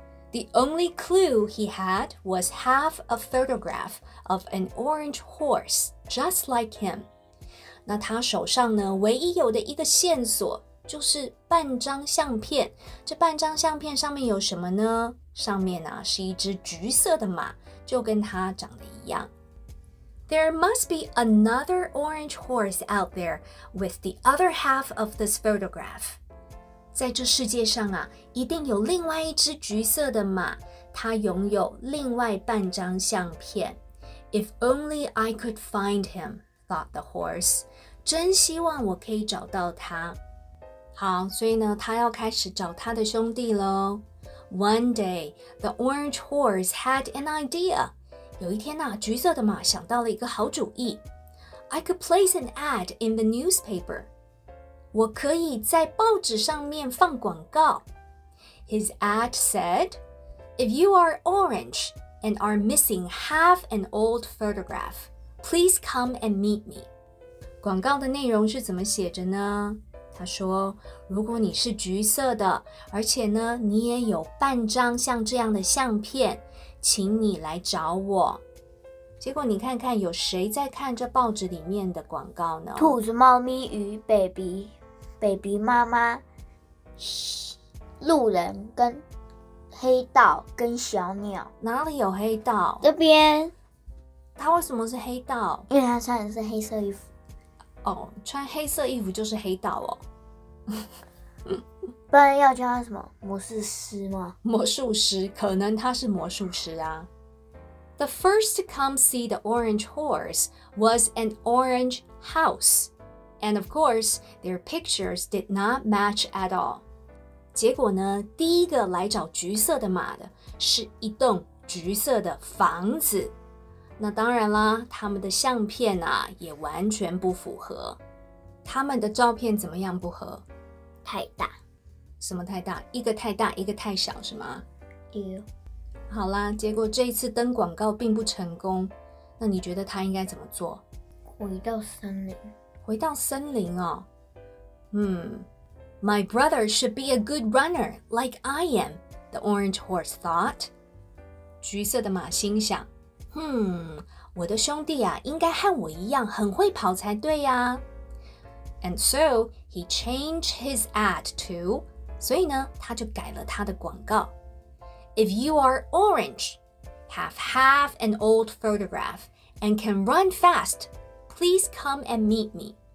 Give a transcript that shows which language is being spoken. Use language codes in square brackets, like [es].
[en] The only clue he had was half a photograph of an orange horse just like him. [zh] 那他手上呢，唯一有的一个线索就是半张相片。这半张相片上面有什么呢？上面啊，是一只橘色的马，就跟他长得一样。 [en] There must be another orange horse out there with the other half of this photograph. [zh] 在这世界上啊，一定有另外一只橘色的马，它拥有另外半张相片。 [en] If only I could find him, thought the horse. [zh] 真希望我可以找到他。好，所以呢，他要开始找他的兄弟咯。 [en] One day, the orange horse had an idea. [zh] 有一天啊，橘色的马想到了一个好主意。 [en] I could place an ad in the newspaper. [zh] 我可以在报纸上面放广告。 [en] His ad said, If you are orange and are missing half an old photograph, please come and meet me. [zh] 广告的内容是怎么写着呢？他说，如果你是橘色的，而且呢，你也有半张像这样的相片，请你来找我。结果你看看有谁在看这报纸里面的广告呢？兔子、猫咪与 baby、baby 妈妈、路人跟黑道跟小鸟。哪里有黑道？这边。他为什么是黑道？因为他穿的是黑色衣服。哦，穿黑色衣服就是黑道哦。不然要叫他什么？魔术师吗？魔术师，可能他是魔术师啊。 [en] The first to come see the orange horse was an orange house. And of course, their pictures did not match at all. [zh] 结果呢，第一个来找橘色的马的是一栋橘色的房子。那当然啦，他们的相片啊也完全不符合。他们的照片怎么样不合？太大。什么太大？一个太大，一个太小，是吗？对。好啦，结果这一次登广告并不成功。那你觉得他应该怎么做？回到森林。回到森林哦。 [en] My brother should be a good runner like I am, the orange horse thought. [zh] 橘色的马心想。我的兄弟啊，应该和我一样很会跑才对呀。 [en] And so he changed his ad to. [zh] 所以呢，他就改了他的广告。 [en] If you are orange, have half an old photograph, and can run fast, please come and meet me.